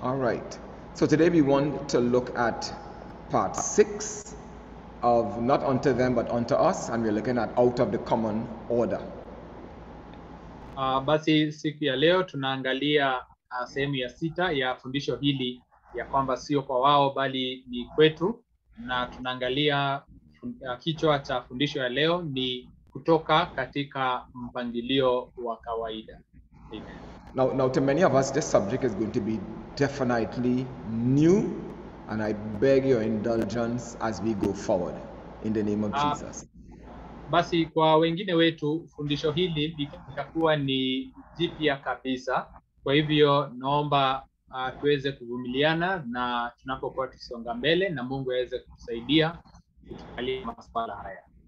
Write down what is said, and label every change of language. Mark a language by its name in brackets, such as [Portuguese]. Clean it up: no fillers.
[English] Right. So today we want to look at part six of Not Unto Them But Unto Us, and we're looking at Out of the Common Order. [Swahili] Basi siku ya leo tunaangalia sehemu ya sita ya fundisho hili ya kwamba sio kwa wao bali ni kwetu, na tunaangalia kichwa cha fundisho ya leo ni kutoka katika mpangilio wa kawaida. [English] Now to many of us this subject is going to be definitely new, and I beg your indulgence as we go forward in the name of Jesus. [Swahili] Basi kwa wengine wetu fundisho hili litakuwa ni jipya kabisa, kwa hivyo naomba tuweze kuvumiliana na tunapokuwa tusonga mbele na Mungu aweze kutusaidia kutukalia masuala haya.